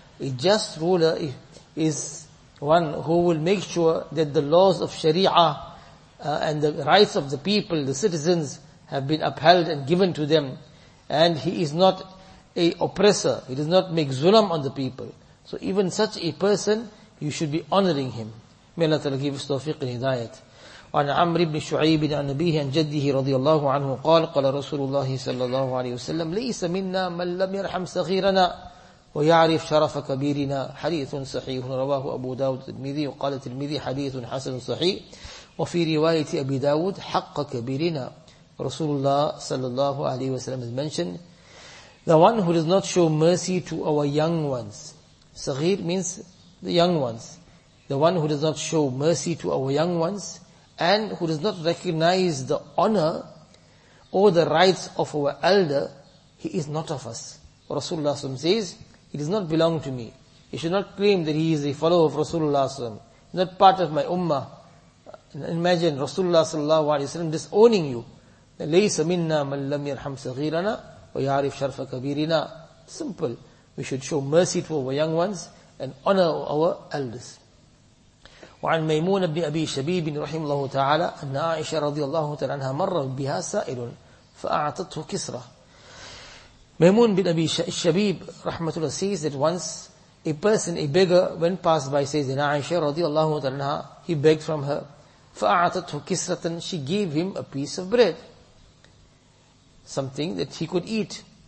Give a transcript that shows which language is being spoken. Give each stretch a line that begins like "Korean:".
English: A just ruler is one who will make sure that the laws of Sharia and the rights of the people, the citizens, have been upheld and given to them. And he is not a oppressor. He does not make zulam on the people. So even such a person, you should be honoring him. May Allah Ta'ala give us tawfiq and hidayat.
Arabic: وعن عمر بن شعيب عن نبيه عن جده رضي الله عنه قال قال رسول الله صلى الله عليه وسلم ليس منا من لم يرحم صغيرنا ويعرف شرف كبيرنا حديث صحيح رواه أبو داود الترمذي وقال الترمذي حديث حسن صحيح وفي رواية أبي داود حق كبيرنا رسول الله صلى الله عليه وسلم
English: has mentioned the one who does not show mercy to our young ones. Saghir means the young ones. The one who does not show mercy to our young ones and who does not recognize the honor or the rights of our elder, he is not of us. Rasulullah SAW says, he does not belong to me. He should not claim that he is a follower of Rasulullah SAW. He is not part of my ummah. Imagine Rasulullah SAW disowning you.
Arabic: لَيْسَ مِنَّا مَنْ لَمْ يَرْحَمْ صَغِيرَنَا وَيَعْرِفْ شَرْفَ كَبِيرِنَا.
English: Simple. We should show mercy to our young ones and honor our elders.
Arabic: وعن ميمون بن أبي شبيب رحمه الله تعالى أن عائشة رضي الله تعالى عنها مر بها سائل فأعطته كسرة.
English: Maimun bin Abi Shabib rahmatullah says that once a person, a beggar, went past by Sayyidina Aisha radiallahu anha, he begged from her.
Arabic: فَأَعْتَتْهُ كِسْرَةً,
English: she gave him a piece of bread. Something that he could eat.